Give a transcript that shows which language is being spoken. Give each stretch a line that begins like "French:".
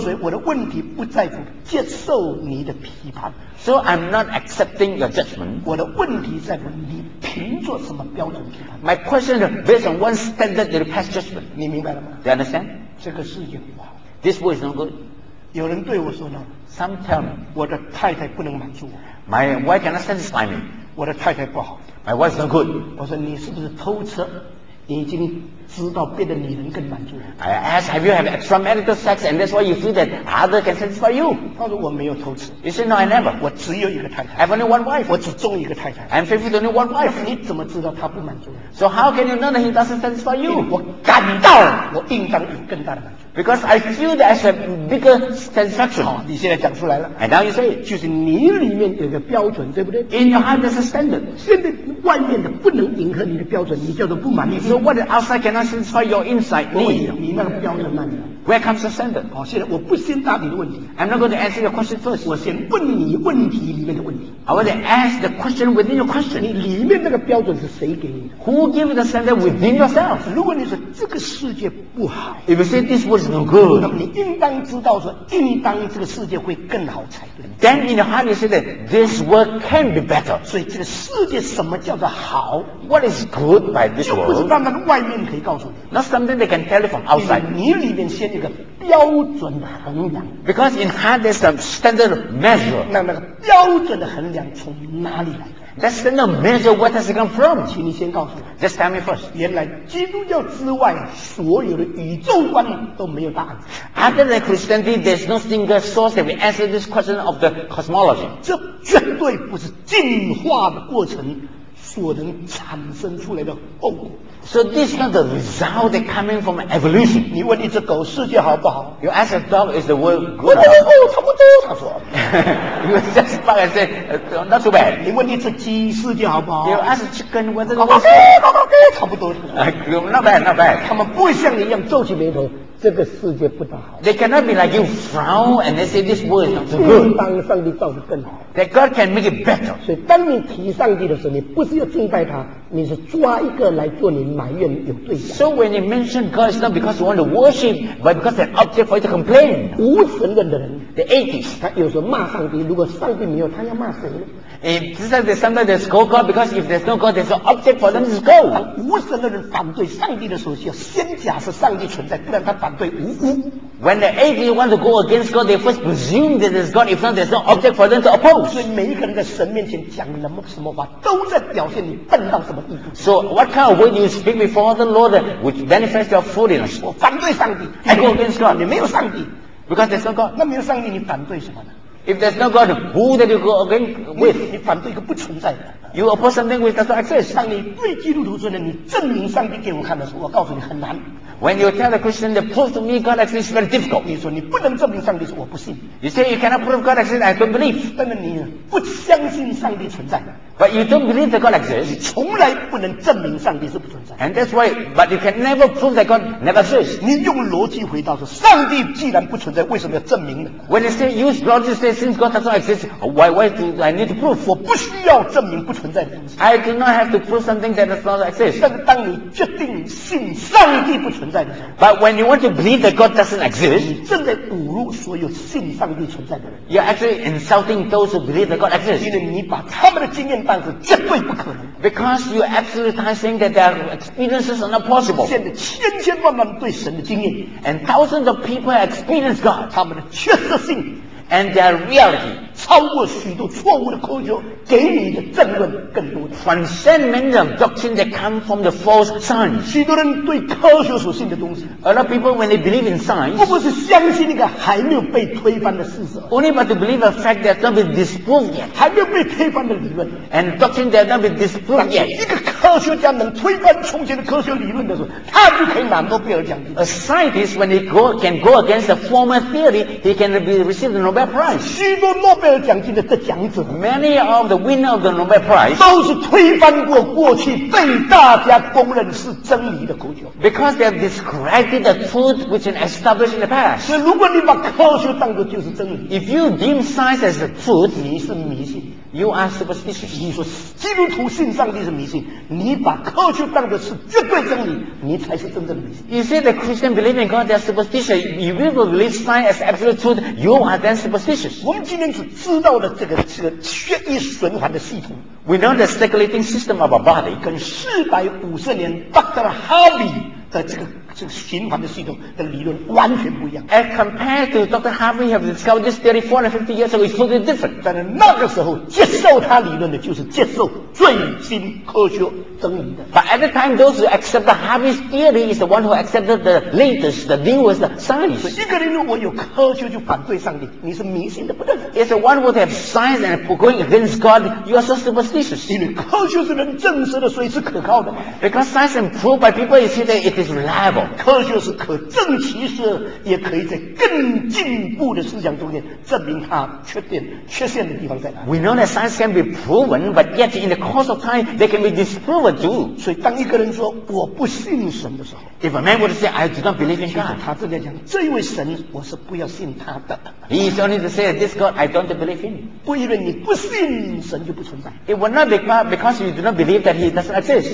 Chinese: 所以我的问题不在乎接受你的批判。
English: So I'm not accepting your judgment.
Chinese: 我的问题在乎你凭着什么标准批判
English: ？My question is based on one standard that pass judgment.
Chinese: 你明白了吗
English: ？Do you understand?
Chinese: 这个事情不好。
English: This world is no good.
Chinese: 有人对我说呢
English: ？Some tell me
Chinese: 我的太太不能满足我。
English: My wife cannot satisfy me.
Chinese: 我的太太不好。
English: My wife is no good.
Chinese: 我说你是不是偷吃？你已经知道别的女人更满足了。
English: I ask, have you had extramarital sex, and that's why you feel that other can satisfy you?
Chinese: 他说我没有偷吃。
English: You say no, I never.
Chinese: 我只有一个太太。
English: I have only one wife.
Chinese: 我只中一个太太。
English: I'm faithful to only one wife.
Chinese: 你怎么知道他不满足
English: ？So how can you know that he doesn't satisfy you?
Chinese: 我感到我应当有更大的满足。
English: Because I feel that as a bigger satisfaction.
Chinese: 好，你现在讲出来了。
English: And now you say,
Chinese: 就是你里面有个标准，对不对
English: ？In your heart, there's a standard.
Chinese: 现在外面的不能迎合你的标准，你叫做不满足。
English: So what outside cannot satisfy your inside need?
Chinese: 你那个标准哪里？
English: Where comes the standard?
Chinese: 好，现在我不先答你的问题。
English: I'm not going to answer your question first.
Chinese: 我先问你问题里面的问题。
English: I want to ask the question within your question.
Chinese: 你里面那个标准是谁给你的
English: ？Who gave the standard within yourself?
Chinese: 如果你说这个世界不好
English: ，If you say this was no good,
Chinese: 你应当知道说，应当这个世界会更好才对。
English: Then in your heart you say that this world can be better.
Chinese: 所以这个世界什么叫做好
English: ？What is good by this world?
Chinese: 就不是让那个外面可以告诉你。
English: Not something they can tell you from outside.
Chinese: 你里面先一个标准衡量。
English: Because in heart there's a standard measure.
Chinese: 那个标准的衡量从哪里来？
English: That's the measure. Where does it come from?
Chinese: 请你先告诉我。
English: Just tell me first.
Chinese: 原来基督教之外，所有的宇宙观都没有答案。
English: Other than Christianity, there's no single source that will answer this question of the cosmology.
Chinese: 这绝对不是进化的过程所能产生出来的后果。
English: So this is not the result that coming from evolution.
Chinese: 你问一只狗世界好不好
English: ？You ask a dog, is the world good or bad?
Chinese: 哦，差不多，他说。
English: You just back and say, not too bad.
Chinese: 你问一只鸡世界好不好
English: ？You ask a chicken, whether the world is good.
Chinese: 差不多。
English: Not bad, not bad.
Chinese: 他们不像你一样皱起眉头。这个世界不大好。
English: They cannot be like you frown and they say this world is not good.
Chinese: 应当上帝造得更好。
English: That God can make it better.
Chinese: 所以当你提上帝的时候，你不是要敬拜他，你是抓一个来做你埋怨有对象。
English: So when you mention God, it's not because you want to worship, but because an object for you to complain.
Chinese: 无神论的人
English: ，the atheist，
Chinese: 他有时候骂上帝，如果上帝没有，他要骂谁呢？
English: Sometimes they scold God because if there's no God, there's no object for them to scold.
Chinese: 当无神论人反对上帝的时候，要先假设上帝存在，不然他反对无无。
English: When the atheists want to go against God, they first presume that there's God. If not, there's no object for them to oppose.
Chinese: 所以每一个人在神面前讲什么什么话，都在表现你笨到什么地步。
English: So what kind of word you speak before the Lord, which manifests your foolishness?
Chinese: 我反对上帝。
English: I go against God.
Chinese: 你没有上帝。
English: Because there's no God.
Chinese: 那没有上帝，你反对什么呢？
English: If there's no God, who did you go again with?
Chinese: 你反对一个不存在的。
English: You oppose something which does not exist.
Chinese: 当你对基督徒说呢，你证明上帝给我看的时候，我告诉你很难。
English: When you tell a Christian to prove to me God exists, it's very difficult.
Chinese: 你说你不能证明上帝，说我不信。
English: You say you cannot prove God exists, I don't believe.
Chinese: 但是你不相信上帝存在。
English: But you don't believe that God exists.
Chinese: 你从来不能证明上帝是不存在。
English: And that's why, but you can never prove that God never exists.
Chinese: 你用逻辑回答说，上帝既然不存在，为什么要证明呢
English: ？When you say use logic, say since God does not exist, why do I need to prove?
Chinese: 我不需要证明不存在的东西。
English: I do not have to prove something that does not exist.
Chinese: 但是当你决定信上帝不存在的时候
English: ，But when you want to believe that God doesn't exist,
Chinese: 你正在侮辱所有信上帝存在的人。
English: You're actually insulting those who believe that God exists.
Chinese: 因为你把他们的经验当是绝对不可能。
English: Because you absolutely think that their experiences are not possible.
Chinese: 现在千千万万对神的经验
English: ，and thousands of people experience God.
Chinese: 他们的确实性。
English: And their reality
Chinese: 超过许多错误的科学给你的证论更多的。
English: Transcend many of doctrine that come from the false science.
Chinese: 许多人对科学所信的东西。
English: A lot of people when they believe in science,
Chinese: 不是相信那个还没有被推翻的事实。
English: Only but to believe a fact that has not been disproved yet.
Chinese: 还没有被推翻的理论。
English: And doctrine that has not been disproved yet.
Chinese: 一个科学家能推翻从前的科学理论的时候，他就可以拿诺贝尔奖。
English: A scientist when he can go against the former theory, he can be receive the Nobel Prize.
Chinese: 许多诺贝尔奖金的得奖者
English: ，many of the winner of the Nobel Prize
Chinese: 都是推翻过过去被大家公认是真理的科学。
English: Because they have discredited the truth which is established in the past.
Chinese: 所以如果你把科学当作就是真理
English: ，if you deem science as the truth，
Chinese: 你是迷信。
English: You are superstitious.
Chinese: 你说基督徒信上帝是迷信，你把科学当作是绝对真理，你才是真正的迷信。
English: You say that Christian believe in God, they are superstitious. If you believe science as absolute truth, you are then superstitious.
Chinese: 我们今天所知道的这个血液循环的系统
English: ，We know the circulating system of our body，
Chinese: 跟450年 Dr. Harvey 的这个循环的系统的理论完全不一样。
English: As compared to Dr. Harvey have discovered this theory 450 years ago, it's totally different.
Chinese: 但是那个时候接受他理论的就是接受最新科学真理的。
English: But at the time, those who accept the Harvey's theory is the one who accepted the latest, the newest science.
Chinese: 一个人如果有科学就反对上帝，你是迷信的不得了。
English: It's the one who have science and going against God, you are so superstitious.
Chinese: 因为科学是能证实的，所以是可靠的。
English: Because science is proved by people, you see that it is reliable.
Chinese: 科学是可证其实也可以在更进步的思想中间证明它缺陷的地方在哪。
English: We know that science can be proven, but yet in the course of time, they can be disproved too.
Chinese: 所以当一个人说我不信神的时候
English: ，If a man would say I do not believe in God，
Chinese: 他正在讲这位神我是不要信他的。
English: He is only to say this God I don't believe in。
Chinese: 不因为你不信神就不存在。
English: It will not be because you do not believe that he doesn't exist。